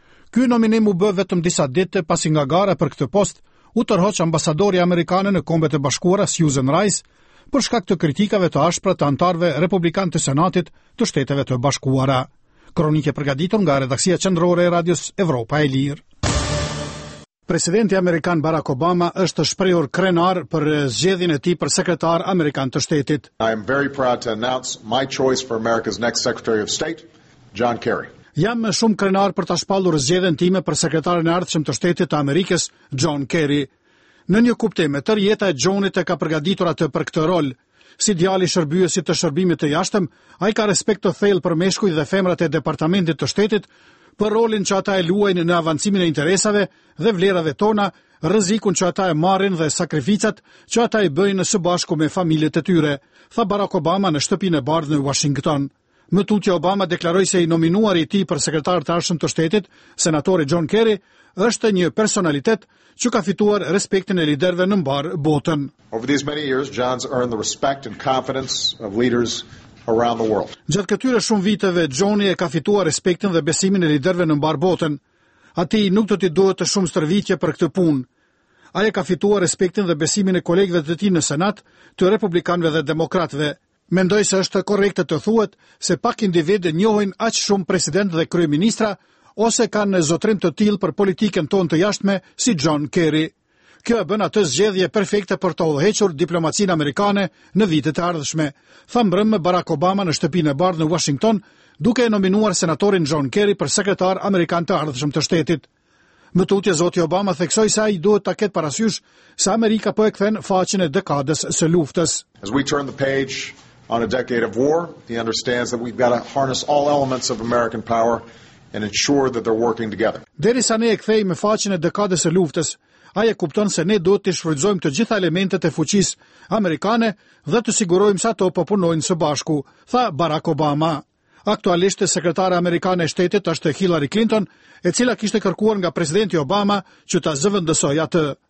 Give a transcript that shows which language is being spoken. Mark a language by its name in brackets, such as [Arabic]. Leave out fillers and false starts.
[Albanian] Ky nominim u bë vetëm disa ditë pasi nga gara për këtë post u tërhoq ambasadori amerikan në Kombet e Bashkuara Susan Rice për shkak të kritikave të ashpra të anëtarëve republikan të Senatit të Shteteve të Bashkuara. Kronike përgatitur nga redaksia qendrore e Radios Evropa e Lirë. Presidenti amerikan Barack Obama është shprehur krenar për zgjedhjen e tij për sekretar amerikan të shtetit. [English] I am very proud to announce my choice for America's next Secretary of State, John Kerry. [Albanian] Jam shumë krenar për ta shpallur zgjedhjen time për sekretarin e ardhshëm të shtetit të Amerikës, John Kerry. Në një kuptim, tërë jeta e Johnit e ka përgatitur atë për këtë rol. Si djali shërbyesit të shërbimit të jashtëm, ai ka respekt të thellë për meshkujt dhe femrat e departamentit të shtetit, për rolin që ata e luajnë në avancimin e interesave dhe vlerave tona, rrezikun që ata e marrin dhe sakrificat që ata e bëjnë së bashku me familjet e tyre, tha Barack Obama në shtëpinë e bardhë në Washington. Më tutje Obama deklaroi se i nominuari i tij për sekretar të ardhshëm të shtetit, senatori John Kerry, është një personalitet që ka fituar respektin e liderëve në mbar botën. [English] Over these many years, John's earned the respect and confidence of leaders around the world. [Albanian] Gjatë këtyre shumë viteve, Johnny e ka fituar respektin dhe besimin e liderëve në mbar botën. Atij nuk do t'i duhet të shumë stërvitje për këtë punë. Ai e ka fituar respektin dhe besimin e kolegëve të tij në Senat, të republikanëve dhe demokratëve. Mendoj se është korrekte të thuhet se pak individë njohin aq shumë president dhe kryeministra ose kanë zotrim të tillë për politikën tonë të jashtme si John Kerry. Kjo e bën atë zgjedhje perfekte për të udhëhequr diplomacinë amerikane në vitet e ardhshme, tha mbrëmë Barack Obama në shtëpinë e bardhë në Washington, duke e nominuar senatorin John Kerry për sekretar amerikan të ardhshëm të shtetit. Më tutje zoti Obama theksoi se ai duhet ta ketë parasysh se Amerika po e kthen faqen e dekadës së luftës. [English] As we turn the page on a decade of war, he understands that we've got to harness all elements of American power and ensure that they're working together. [Albanian] Derisa ne e kthejmë faqen e dekadës së luftës, ai e kupton se ne duhet të shfrytëzojmë të gjitha elementet e fuqisë amerikane dhe të sigurojmë se ato po punojnë së bashku, tha Barack Obama. Aktualisht sekretare amerikane e shtetit është Hillary Clinton, e cila kishte kërkuar nga presidenti Obama që ta zëvendësoj atë.